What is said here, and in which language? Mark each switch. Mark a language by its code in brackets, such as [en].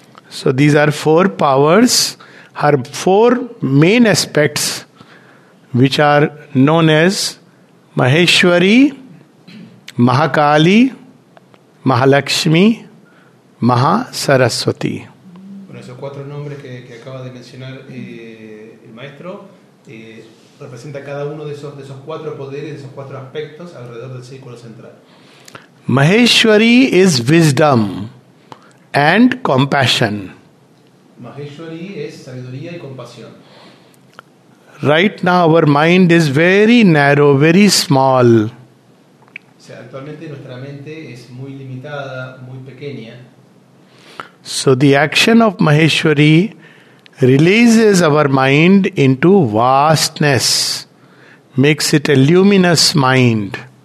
[en] So these are four powers, her four main aspects, which are known as Maheshwari, Mahakali, Mahalakshmi, Mahasaraswati. [es] Bueno, esos cuatro nombres que acaba de mencionar el maestro representa cada uno de esos cuatro poderes, de esos cuatro aspectos alrededor del círculo central. [en] Maheshwari is wisdom and compassion. [es] Maheshwari es sabiduría y compasión. [en] Right now our mind is very narrow, very small. [es] O sea, actualmente nuestra mente es muy limitada, muy pequeña. [en] So the action of Maheshwari releases our mind into vastness, makes it a luminous mind.